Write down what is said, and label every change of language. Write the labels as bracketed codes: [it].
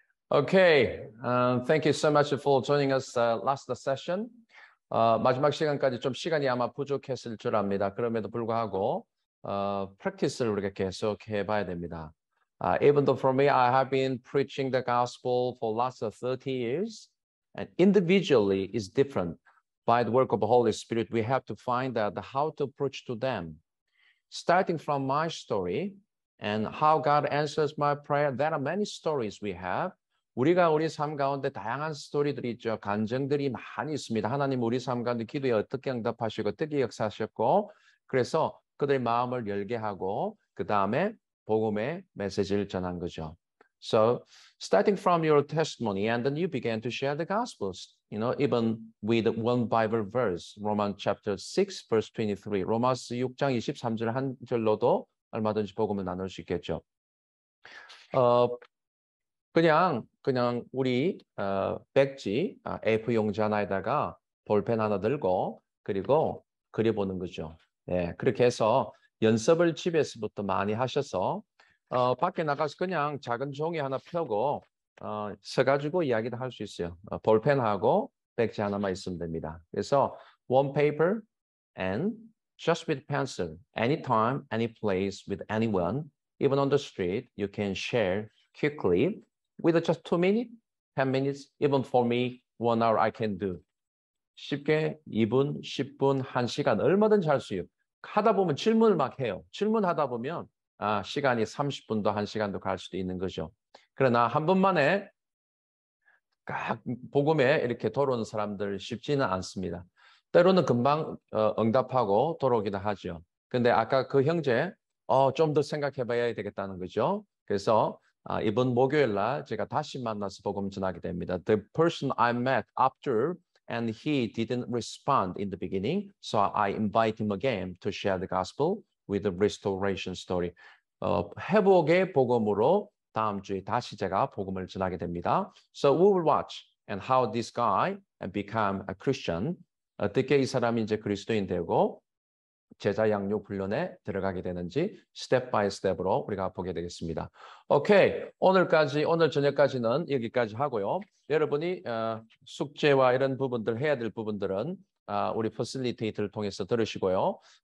[en] Okay, thank you so much for joining us last session. [ko] 마지막 시간까지 좀 시간이 아마 부족했을 줄 압니다. 그럼에도 불구하고 practice를 우리가 계속 해봐야 됩니다. [en] Even though for me, I have been preaching the gospel for last 30 years, and individually is different. By the work of the Holy Spirit, we have to find out how to approach to them. Starting from my story and how God answers my prayer, there are many stories we have. [ko] 우리가 우리 삶 가운데 다양한 스토리들이 있죠. 간증들이 많이 있습니다. 하나님 우리 삶 가운데 기도에 어떻게 응답하시고 어떻게 역사하셨고 그래서 그들의 마음을 열게 하고 그 다음에 복음의 메시지를 전한 거죠. [en] So, starting from your testimony, and then you began to share the Gospels, you know, even with one Bible verse, Romans chapter 6, verse 23. [ko] 로마서 6장 23절 한 절로도 얼마든지 복음을 나눌 수 있겠죠. 그냥 우리 백지, A4용지 하나에다가 볼펜 하나 들고 그리고 그려보는 거죠. 예, 그렇게 해서 연습을 집에서부터 많이 하셔서 밖에 나가서 그냥 작은 종이 하나 펴고 써가지고 이야기도 할 수 있어요. 볼펜하고 백지 하나만 있으면 됩니다. [en] 그래서 one paper and just with pencil, anytime, any place, with anyone, even on the street, you can share quickly with just 2 minutes, 10 minutes, even for me, 1 hour I can do. [ko] 쉽게 2분, 10분, 1시간 얼마든지 할 수 있어요. 하다 보면 질문을 막 해요. 질문하다 보면 시간이 30분도 1시간도 갈 수도 있는 거죠. 그러나 한 번만에 복음에 이렇게 돌아오는 사람들 쉽지는 않습니다. 때로는 금방 응답하고 돌아오기도 하죠. 근데 아까 그 형제 좀 더 생각해 봐야 되겠다는 거죠. 그래서 이번 목요일날 제가 다시 만나서 복음 전하게 됩니다. [en] The person I met after and he didn't respond in the beginning, so I invite him again to share the gospel with the restoration story. [ko] 회복의 복음으로 다음 주에 다시 제가 복음을 전하게 됩니다. [en] So we will watch and how this guy and become a Christian. [ko] 어떻게 이 사람이 이제 그리스도인 되고 제자 양육 훈련에 들어가게 되는지 [en] step by step [ko] 으로 우리가 보게 되겠습니다. 오케이, 오늘 저녁까지는 여기까지 하고요. 여러분이 숙제와 이런 부분들 해야 될 부분들은 우리 퍼실리테이트를 통해서 들으시고요.